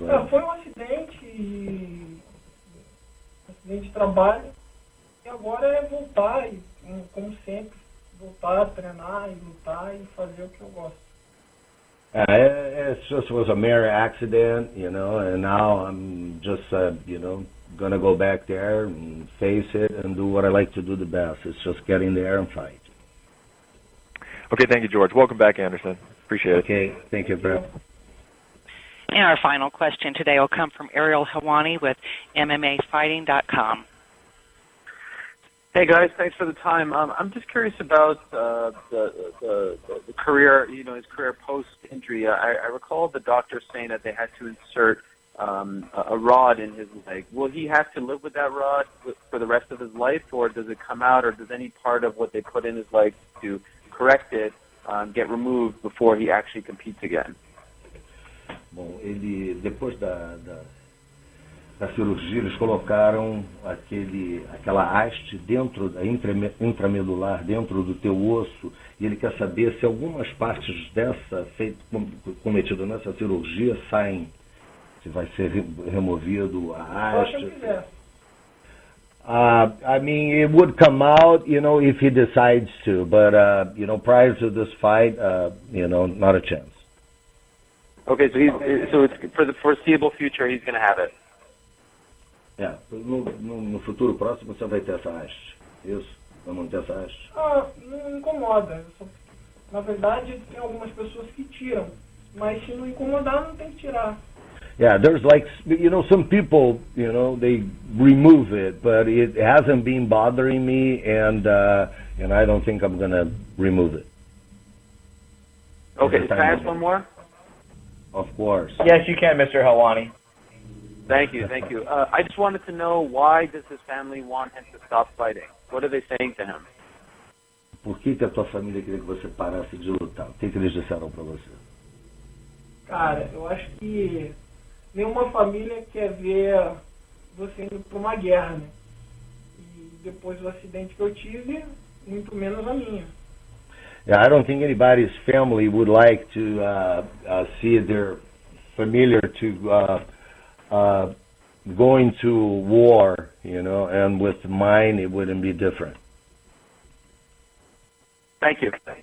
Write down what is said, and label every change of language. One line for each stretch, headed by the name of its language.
Portuguese: Foi um acidente de trabalho, e agora é voltar, como sempre, voltar a treinar e lutar e fazer o que eu gosto.
English: It just was a mere accident, and now I'm just, gonna go back there and face it and do what I like to do the best. It's just get in there and fight. Okay, thank you, George. Welcome back, Anderson. Appreciate it. Okay, thank you, Brett. And our final question today will come from Ariel Helwani with MMAfighting.com. Hey, guys. Thanks for the time. I'm just curious about the career, his career post-injury. I recall the doctor saying that they had to insert a rod in his leg. Will he have to live with that rod for the rest of his life, or does it come out, or does any part of what they put in his leg to correct it get removed before he actually competes again?
Portuguese: Bom, ele, depois da cirurgia, eles colocaram aquela haste dentro da intramedular, dentro do teu osso, e ele quer saber se algumas partes dessa, cometida nessa cirurgia, saem, se vai ser removido a haste.
English: It would come out, if he decides to, but, prior to this fight, not a chance. Okay, so it's for the foreseeable future, he's going to have it.
Portuguese: Yeah, no futuro próximo você vai ter essa haste. Isso, vai manter essa haste. Não incomoda. Na verdade, tem algumas pessoas que tiram. Mas se não incomodar, não tem que tirar.
English: Yeah, there's some people, they remove it, but it hasn't been bothering me, and I don't think I'm going to remove it. Okay, can I ask one more? Of course. Yes, you can, Mr. Helwani. Thank you. I just wanted to know, why does his family want him to stop fighting? What are they saying to him?
Portuguese: Por que a tua família queria que você parasse de lutar? O que eles disseram para você? Cara, eu acho que nenhuma família quer ver você indo para uma guerra, né? E depois do acidente que eu tive, muito menos a minha.
English: Yeah, I don't think anybody's family would like to see their familiar to going to war, and with mine it wouldn't be different. Thank you.